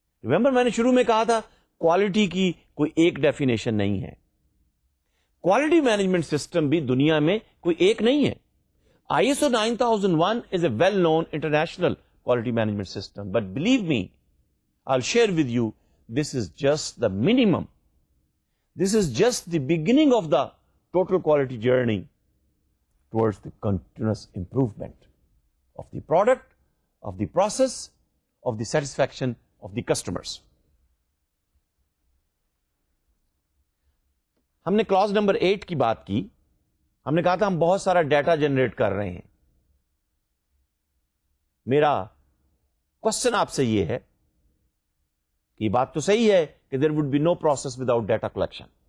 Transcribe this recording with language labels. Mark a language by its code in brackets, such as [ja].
[ur] Remember میں نے شروع میں کہا تھا کوالٹی کی کوئی ایک ڈیفینیشن نہیں ہے, کوالٹی مینجمنٹ سسٹم بھی دنیا میں کوئی ایک نہیں ہے. [en] I S O 9001 is a well known international quality management system, but believe me I share with you, this is just the minimum, this is just the beginning of the total quality journey towards the continuous improvement of the product, of the process, of the satisfaction of the customers. [ur] ہم نے class number 8 کی بات کی, ہم نے کہا تھا ہم بہت سارا ڈیٹا جنریٹ کر رہے ہیں, میرا کوشچن آپ سے یہ ہے کہ یہ بات تو صحیح ہے کہ [en] There would be no process without data collection.